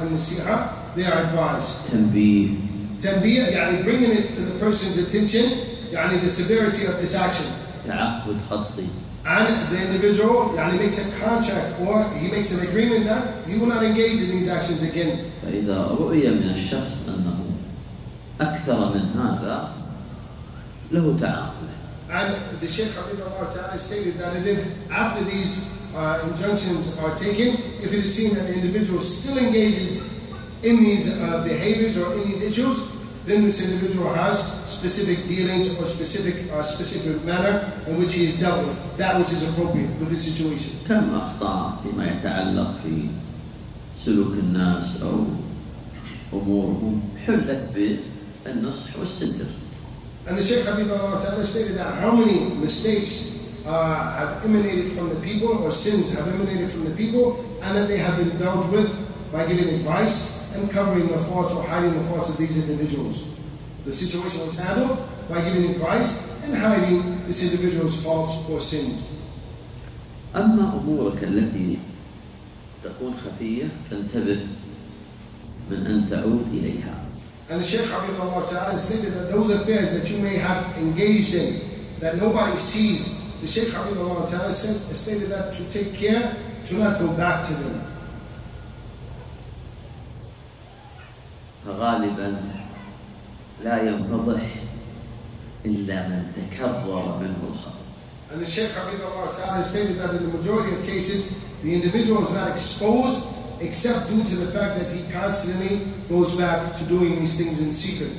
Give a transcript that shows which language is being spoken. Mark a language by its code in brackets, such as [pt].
[en] النصيحة, they are advised. [ar] تنبيه [en] يعني bringing it to the person's attention, يعني the severity of this action. [ar] تعهد خطي. [en] And the individual يعني makes a contract or he makes an agreement that he will not engage in these actions again. [ar] فإذا رؤية من الشخص أنه أكثر من هذا له تعاقب. [en] And the Shaykh Habibullah Ta'ala stated that if after these injunctions are taken, if it is seen that the individual still engages in these behaviors or in these issues, then this individual has specific dealings or specific manner in which he is dealt with, that which is appropriate with the situation. [ar] كم أخطاء فيما يتعلق في سلوك الناس أو أمورهم حلت بالنصح والستر. [en] And the Shaykh Habibullah Ta'ala stated that how many mistakes have emanated from the people or sins have emanated from the people and that they have been dealt with by giving advice and covering the faults or hiding the faults of these individuals. The situation was handled by giving advice and hiding this individual's faults or sins. [ar] أما أمورك التي تكون خفية فانتبه من أن تعود إليها. [en] And the Shaykh Habibullah Ta'ala stated that those affairs that you may have engaged in, that nobody sees, the Shaykh Habibullah Ta'ala stated that to take care, to not go back to them. [ar] غالباً لا ينفضح إلا من تكرر منه الخطأ. [en] And the Shaykh Habibullah Ta'ala stated that in the majority of cases, the individual is not exposed except due to the fact that he constantly goes back to doing these things in secret.